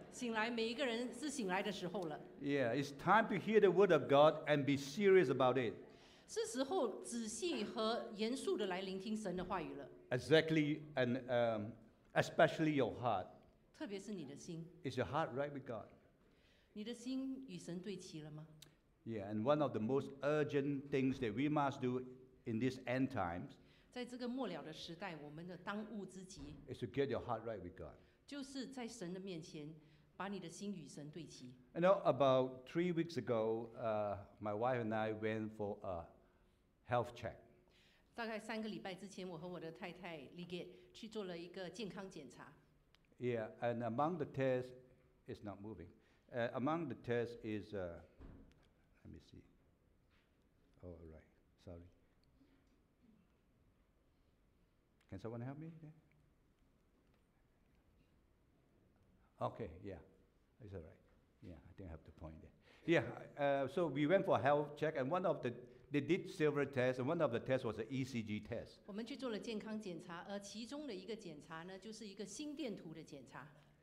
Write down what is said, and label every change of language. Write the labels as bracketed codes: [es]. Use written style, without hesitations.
[zh] 醒来，每一个人是醒来的时候了。 [en] Yeah, it's time to hear the word of God and be serious about it. [zh] 是时候仔细和严肃的来聆听神的话语了。 [en] Exactly, and especially your heart. [zh] 特别是你的心。 [en] Is your heart right with God? [zh] 你的心与神对齐了吗 [en] ？Yeah, and one of the most urgent things that we must do in these end times. [zh] 在这个末了的时代，我们的当务之急 [en] is to get your heart right with God. [zh] 就是在神的面前，把你的心与神对齐。 [en] You know, about 3 weeks ago, my wife and I went for a health check. [zh] 大概三个礼拜之前，我和我的太太 Liget 去做了一个健康检查。 [en] Yeah, and among the tests, it's not moving. Among the tests is, let me see. Oh, right. Sorry. Can someone help me? Okay, yeah, is that right? Yeah, I think I have to point there. Yeah, so we went for a health check, and they did several tests, and one of the tests was an ECG test. [zh] 我们去做了健康检查，而其中的一个检查呢，就是一个心电图的检查。